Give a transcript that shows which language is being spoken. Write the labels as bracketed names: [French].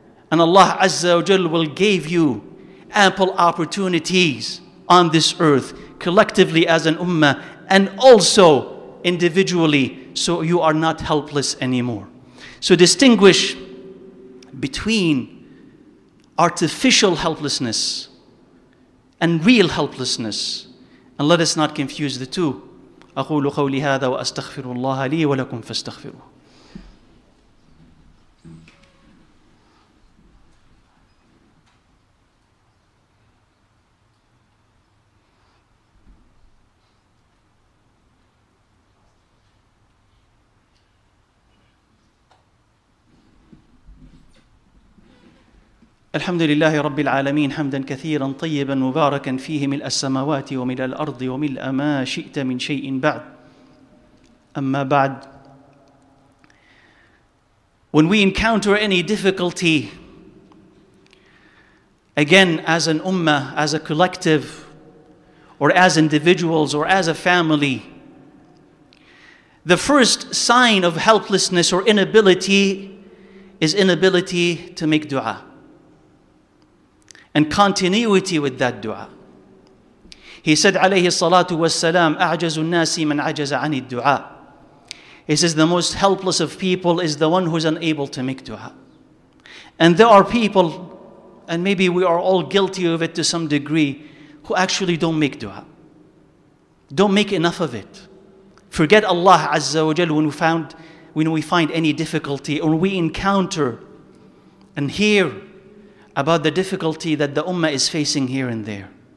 [English] And Allah Azza wa Jal will give you ample opportunities on this earth, collectively as an ummah, and also individually, so you are not helpless anymore. So distinguish between artificial helplessness and real helplessness. And let us not confuse the two. [Arabic] أقول قولي هذا وأستغفر الله لي ولكم فاستغفروا. الحمد لله رب العالمين حمدا كثيرا طيبا مباركا فيه ملء السماوات وملء الأرض وملء ما شئت من شيء بعد. أما بعد, [English] when we encounter any difficulty, again as an ummah, as a collective, or as individuals, or as a family, the first sign of helplessness or inability is inability to make dua and continuity with that dua. He said, [Arabic] عليه الصلاة والسلام, أعجز الناس من عجز عن الدعاء. [English] He says, the most helpless of people is the one who's unable to make dua. And there are people, and maybe we are all guilty of it to some degree, who actually don't make dua. Don't make enough of it. Forget Allah Azza wa Jal when we find any difficulty, or we encounter and hear about the difficulty that the ummah is facing here and there.